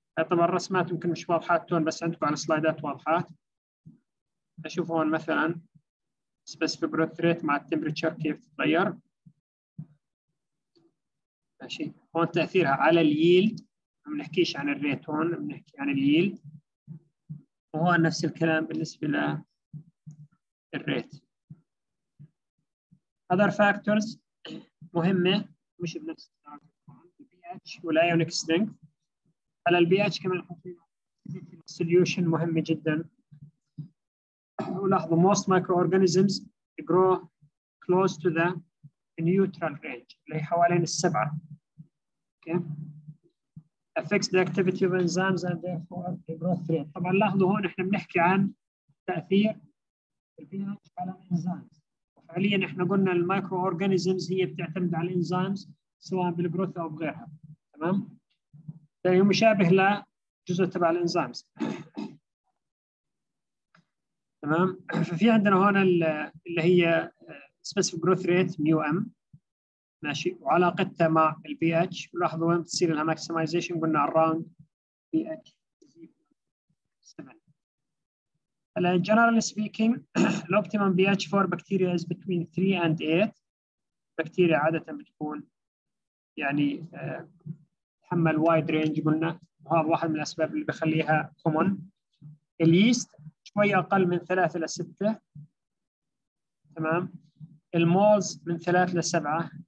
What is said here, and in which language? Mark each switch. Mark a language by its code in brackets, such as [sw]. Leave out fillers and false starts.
[ar] طبعا الرسمات يمكن مش واضحات تون بس عندكم على السلايدات واضحات. اشوف هون مثلا specific growth rate مع التمبريتشر كيف تتغير. ماشي. هون تاثيرها على الييلد، ما بنحكيش عن الريت هون، بنحكي عن الييلد. وهو نفس الكلام بالنسبة للريت. [en] Other factors [ar] مهمة مش بنفس pH ولا ionic strength. على pH كمان حطينا solution مهمة جدا. ولاحظوا [en] most microorganisms grow close to the neutral range [ar] اللي هي حوالين السبعة. [en] Okay. Affects the activity of enzymes and therefore the growth rate. [ar] طبعا لاحظوا هون احنا بنحكي عن تأثير pH على enzymes. وفعليا احنا قلنا الميكروأورجانيزمز هي بتعتمد على الانزيمز سواء بالجروث او بغيرها. تمام؟ فهي مشابه لجزء تبع الانزيمز. تمام؟ ففي عندنا هون اللي هي specific growth rate ميو ام. ماشي وعلاقتها مع ال pH لاحظوا وين بتصير لها maximization قلنا [en] around pH 7. [ar] هلا [en] generally speaking the optimum pH for bacteria is between 3 and 8. [ar] بكتيريا عادة بتكون يعني تحمل وايد رينج قلنا وهذا واحد من الأسباب اللي بخليها common. اليست شوي أقل من 3 إلى 6. تمام المولز من 3 إلى 7.